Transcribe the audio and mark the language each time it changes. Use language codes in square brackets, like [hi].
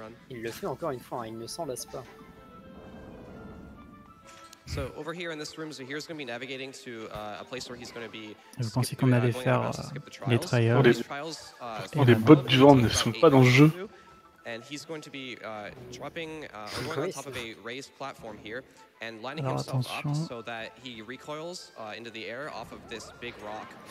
[fr] Il le fait encore une fois, hein, il ne s'en lasse pas. [en] So over here in this room, so here's going to be navigating to a place where he's going to be. [fr] Je pensais qu'on allait faire les trials. Les bottes du vent ne sont pas dans le jeu. [en] And he's going to be dropping on top of a raised platform here and lining himself up so that he recoils into the air off of this big rock.